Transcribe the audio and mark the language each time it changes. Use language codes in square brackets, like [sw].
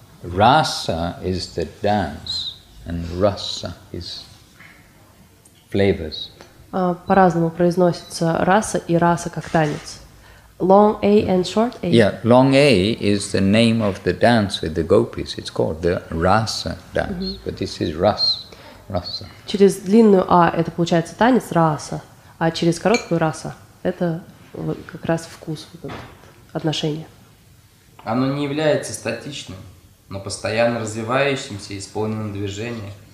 [en] Rasa is the dance, and rasa is flavors. [ru] По-разному произносится раса и раса как танец. [en] Long A and short A. Yeah, long A is the name of the dance with the gopis. It's called the rasa dance. Mm-hmm. But this is rasa. [ru] Через длинную А это получается танец, раса. А через короткую раса это вот как раз вкус, вот это отношение. Оно не является статичным, но постоянно развивающимся и исполненным движением.